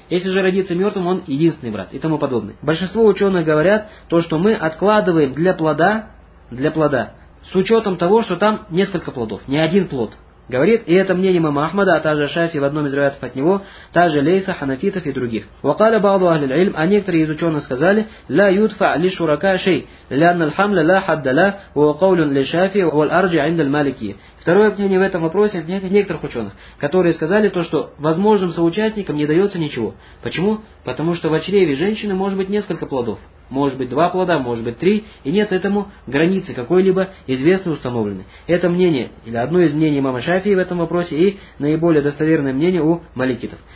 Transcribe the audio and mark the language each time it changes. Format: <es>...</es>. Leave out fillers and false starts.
<ru>Если же родится мертвым, он единственный брат и тому подобное. Большинство ученых говорят, то, что мы откладываем для плода, с учетом того, что там несколько плодов, не один плод. Говорит, и это мнение имама Ахмада, а также Шафии в одном из раятов от него, также Лейса, Ханафитов и других.</ru> <ar>وقال بعض أهل العلم,</ar> <ru>а некоторые из ученых сказали,</ru> <ar>لا يدفع لشركاء شيء, لأن الحمل لا حد له, وقول للشافعي والأرجح عند المالكية.</ar> <ru>Второе мнение в этом вопросе от некоторых ученых, которые сказали то, что возможным соучастникам не дается ничего. Почему? Потому что в чреве женщины может быть несколько плодов. Может быть два плода, может быть три, и нет этому границы какой-либо известной установленной. Это мнение, или одно из мнений имама Шафии в этом вопросе, и наиболее достоверное мнение у маликитов.</ru>